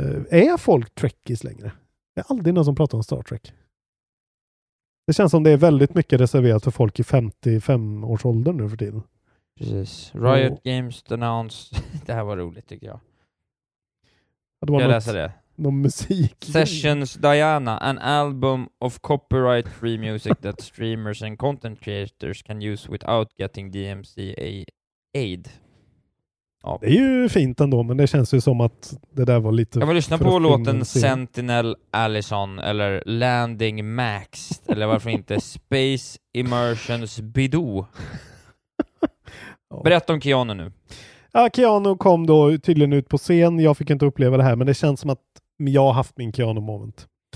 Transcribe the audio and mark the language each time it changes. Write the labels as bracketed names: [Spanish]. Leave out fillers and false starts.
[Swedish] Är folk trekkies längre? Det är aldrig någon som pratar om Star Trek. Det känns som det är väldigt mycket reserverat för folk i 55 års ålder nu för tiden. Precis. Riot Games announced. Det här var roligt, tycker jag. Jag något, läser det. Någon musik. [English] Sessions Diana, an album of copyright free music that streamers and content creators can use without getting DMCA aid. [Swedish] Ja. Det är ju fint ändå, men det känns ju som att det där var lite... Jag vill lyssna på låten Sentinel Allison eller Landing Max eller varför inte Space Immersions Bidoo. Berätta om Keanu nu. Ja, Keanu kom då tydligen ut på scen. Jag fick inte uppleva det här, men det känns som att jag har haft min Keanu-moment.